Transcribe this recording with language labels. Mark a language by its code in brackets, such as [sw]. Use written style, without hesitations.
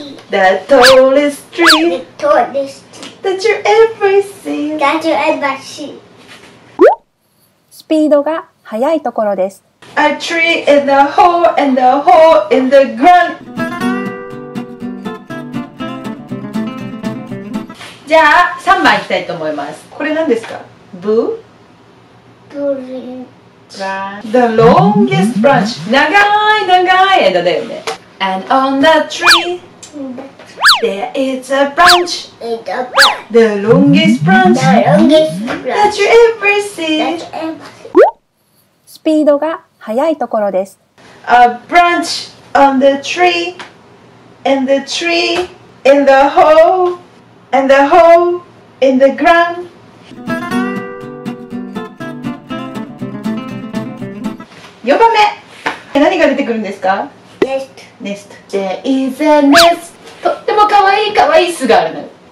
[en] The tallest tree that you ever see. [ja] スピードが速いところです。 [en] A tree in the hole and the hole in the ground. [ja] じゃあ3番行きたいと思います。これ何ですか？ブブリン [en] The longest branch. [ja] 長い枝だよね。 [en] And on the tree, there is a branch. The longest branch that you ever see. [ja] スピードが早いところです。 [en] A branch on the tree, and the tree in the hole, and the hole in the ground. [ja] Yobame, [en] what [ja] が出てくるんですか [en] Nest. There is a nest. [ja] とっても可愛い可愛い巣があるの。